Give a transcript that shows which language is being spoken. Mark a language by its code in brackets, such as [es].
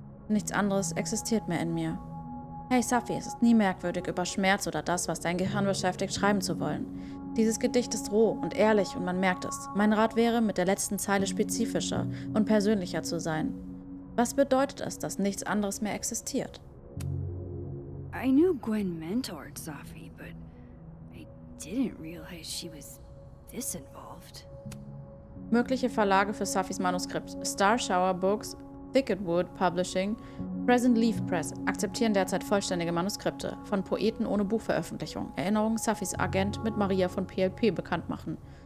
[de] Nichts anderes existiert mehr in mir. Hey Safi, es ist nie merkwürdig, über Schmerz oder das, was dein Gehirn beschäftigt, schreiben zu wollen. Dieses Gedicht ist roh und ehrlich und man merkt es. Mein Rat wäre, mit der letzten Zeile spezifischer und persönlicher zu sein. Was bedeutet es, dass nichts anderes mehr existiert? [en] I knew Gwen mentored Safi, but I didn't realize she was this involved. [de] Mögliche Verlage für Safis Manuskript. Starshower Books, Thicketwood Publishing, Present Leaf Press akzeptieren derzeit vollständige Manuskripte von Poeten ohne Buchveröffentlichung. Erinnerung, Safis Agent mit Maria von PLP bekannt machen.